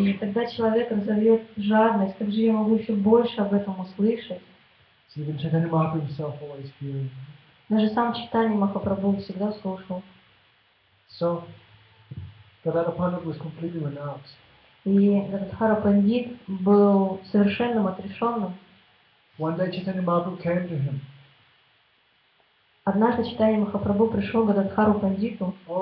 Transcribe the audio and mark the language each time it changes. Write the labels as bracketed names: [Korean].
[Russian] И тогда человек разовьет жадность. Как же я могу еще больше об этом услышать? [English] Even Chaitanya Mahaprabhu himself always hearing. [Russian] Даже сам Чайтанья Махапрабху всегда слушал. [English] So, Gadadhara Pandit was completely renounced. [Russian] И Гададхара Пандит был совершенным отрешенным. [English] One day Chaitanya Mahaprabhu came to him. [Russian] Однажды Чайтанья Махапрабху пришел к Гададхару Пандиту.